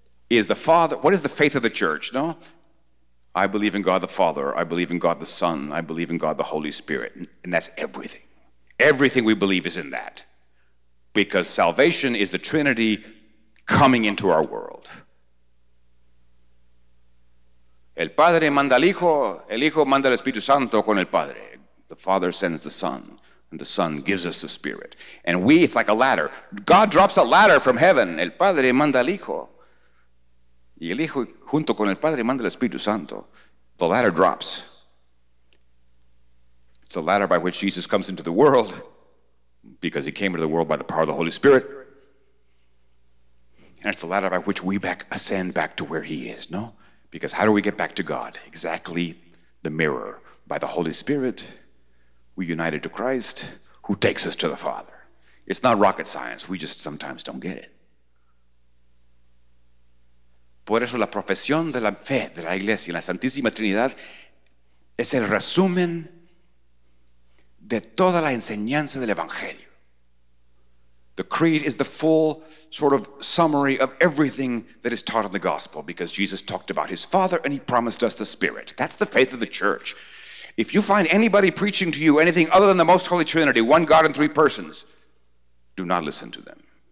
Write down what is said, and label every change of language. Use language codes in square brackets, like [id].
[en] Is the Father, what is the faith of the church, no? I believe in God the Father, I believe in God the Son, I believe in God the Holy Spirit, and that's everything. Everything we believe is in that, because salvation is the Trinity coming into our world. [es] El Padre manda el Hijo manda el Espíritu Santo con el Padre. [en] The Father sends the Son. And the Son gives us the Spirit. And we, it's like a ladder. God drops a ladder from heaven. [es] El Padre manda al Hijo. Y el Hijo, junto con el Padre, manda el Espíritu Santo. [en] The ladder drops. It's a ladder by which Jesus comes into the world, because he came into the world by the power of the Holy Spirit. And it's the ladder by which we ascend back to where he is, no? Because how do we get back to God? Exactly the mirror. By the Holy Spirit. We united to Christ, who takes us to the Father. It's not rocket science. We just sometimes don't get it. [es] Por eso la profesión de la fe de la Iglesia en la Santísima Trinidad es el resumen de toda la enseñanza del Evangelio. [en] The creed is the full sort of summary of everything that is taught in the gospel, because Jesus talked about his Father and he promised us the Spirit. That's the faith of the church. If you find anybody preaching to you anything other than the Most Holy Trinity, one God and three persons, do not listen to them.